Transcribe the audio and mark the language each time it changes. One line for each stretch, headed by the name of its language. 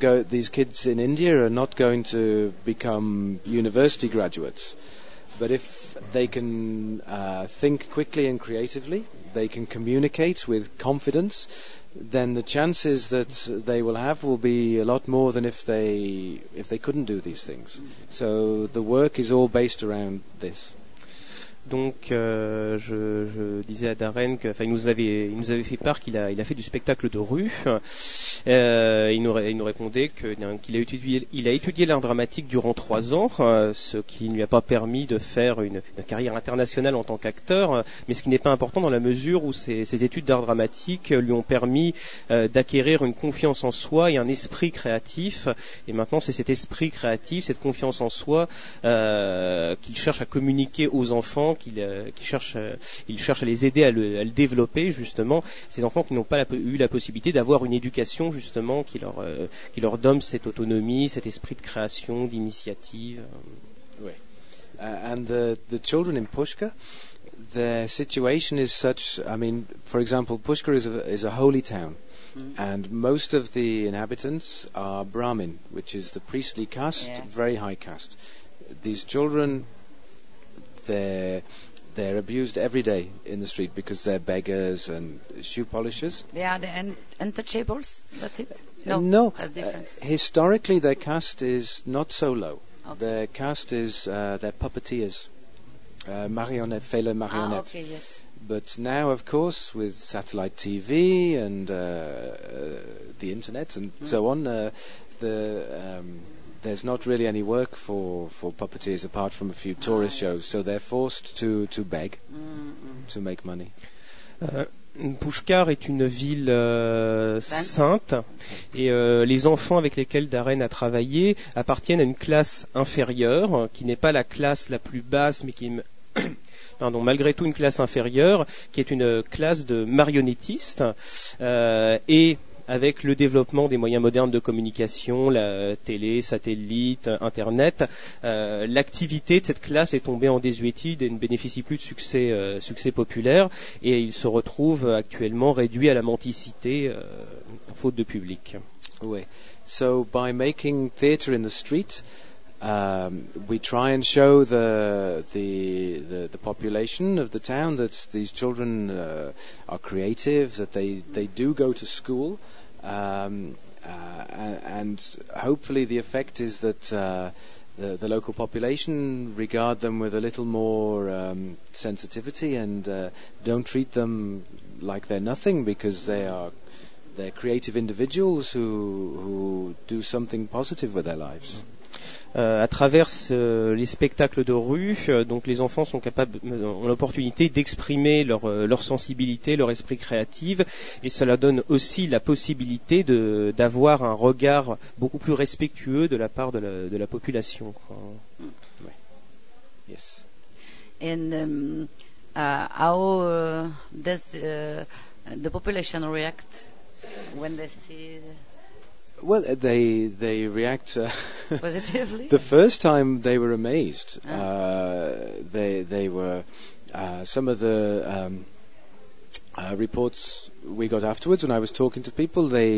English: These kids in India are not going to become university graduates, but if they can think quickly and creatively, they can communicate with confidence, then the chances that they will have will be a lot more than if they couldn't do these things. So the work is all based around this.
French: Donc, je disais à Darren que, enfin, il nous avait fait part qu'il a fait du spectacle de rue. Il nous répondait qu'il a étudié l'art dramatique durant 3 ans, ce qui ne lui a pas permis de faire une carrière internationale en tant qu'acteur, mais ce qui n'est pas important dans la mesure où ses études d'art dramatique lui ont permis d'acquérir une confiance en soi et un esprit créatif. Et maintenant, c'est cet esprit créatif, cette confiance en soi, qu'il cherche à communiquer aux enfants. Qu'il cherche à les aider à le développer, justement, ces enfants qui n'ont pas eu la possibilité d'avoir une éducation, justement, qui leur donne cette autonomie, cet esprit de création, d'initiative. Oui.
English: And the children in Pushkar, their situation is such, I mean, for example, Pushkar is a holy town, and most of the inhabitants are Brahmin, which is the priestly caste, very high caste. These children, they're abused every day in the street because they're beggars and shoe polishers. They are the untouchables, that's it? No, that's different. Historically, their caste is not so low. Okay. Their caste is their puppeteers, marionette, failure marionette. Ah, okay, yes. But now, of course, with satellite TV and the internet and so on, there's not really any work for puppeteers apart from a few tourist shows, so they're forced to beg to make money.
French: Pushkar est une ville sainte et les enfants avec lesquels Darren a travaillé appartiennent à une classe inférieure qui n'est pas la classe la plus basse mais qui est malgré tout une classe inférieure qui est une classe de marionnettistes et avec le développement des moyens modernes de communication, la télé, satellite, internet, l'activité de cette classe est tombée en désuétude et ne bénéficie plus de succès populaire, et il se retrouve actuellement réduit à la menticité, faute de public. Oui.
English: So by making theater in the street, we try and show the population of the town that these children are creative, that they do go to school. And hopefully the effect is that the local population regard them with a little more sensitivity and don't treat them like they're nothing, because they're creative individuals who do something positive with their lives.
French: À travers les spectacles de rue, donc les enfants sont capables, ont l'opportunité d'exprimer leur sensibilité, leur esprit créatif, et cela donne aussi la possibilité d'avoir un regard beaucoup plus respectueux de la part de la population. Oui. Yes.
English: And how does the population react when they see? Well, they react positively. The first time they were amazed. They were some of the reports we got afterwards when I was talking to people.